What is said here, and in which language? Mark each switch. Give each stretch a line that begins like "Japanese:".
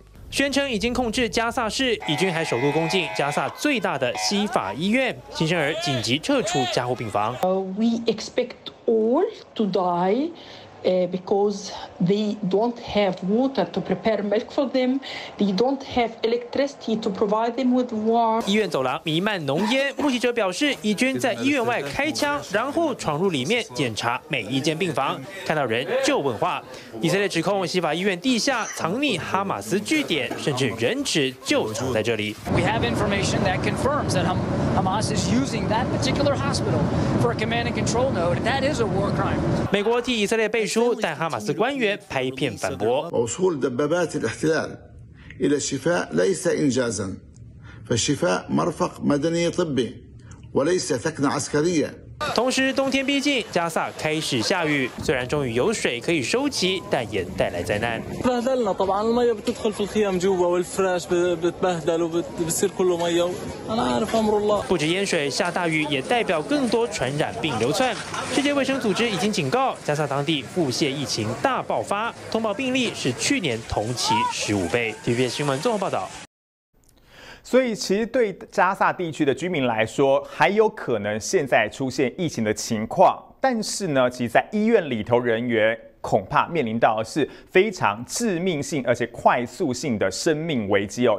Chinese: 宣称已经控制加萨市，以军还首度攻进加萨最大的西法医院，新生儿紧急撤出加护病房。
English: We expect all to die, because they don't have water to prepare milk for them. They don't have electricity to provide them with water.
Chinese: 医院走廊弥漫浓烟，目击者表示，以军在医院外开枪，然后闯入里面检查每一间病房，看到人就问话。以色列指控西法医院地下藏匿哈马斯据点，甚至人质就藏在这里。
English: We have information that confirms that Hamas is using that particular hospital for a command and control node. That is a war crime.
Chinese: 美国替以色列背书，但哈马斯官员拍片反驳。
Arabic: وصول دبابات الاحتلال إلى الشفاء ليس إنجازا، فالشفاء مرفق مدني طبي وليس ثكنة عسكرية。
Chinese: 同时，冬天逼近，加萨开始下雨。虽然终于有水可以收集，但也带来灾难。
Arabic: بهدلنا طبعا المية بتدخل في الخيام جوا والفراش بتبهدل وبتصير كله مية. أنا عارف أمر الله.
Chinese: 不止淹水，下大雨也代表更多传染病流窜。世界卫生组织已经警告，加萨当地腹泻疫情大爆发，通报病例是去年同期15倍。 TVBS 新闻综合报道。所以其实对加萨地区的居民来说，还有可能现在出现疫情的情况，但是呢，其实在医院里头人员恐怕面临到的是非常致命性而且快速性的生命危机哦。